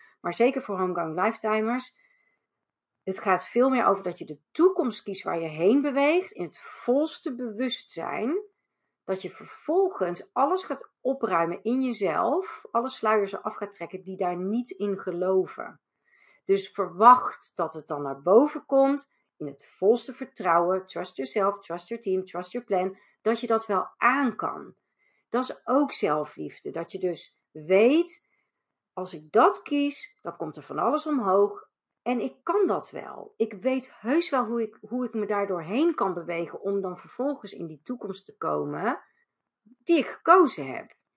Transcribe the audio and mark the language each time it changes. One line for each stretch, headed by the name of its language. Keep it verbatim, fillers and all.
Dutch: Maar zeker voor Homecook Lifetimers. Het gaat veel meer over dat je de toekomst kiest waar je heen beweegt. In het volste bewustzijn. Dat je vervolgens alles gaat opruimen in jezelf. Alle sluiers eraf gaat trekken die daar niet in geloven. Dus verwacht dat het dan naar boven komt in het volste vertrouwen.
English: Trust yourself, trust your team, trust your plan.
Dutch: Dat je dat wel aan kan. Dat is ook zelfliefde. Dat je dus weet, als ik dat kies, dan komt er van alles omhoog. En ik kan dat wel. Ik weet heus wel hoe ik, hoe ik me daar doorheen kan bewegen om dan vervolgens in die toekomst te komen die ik gekozen heb.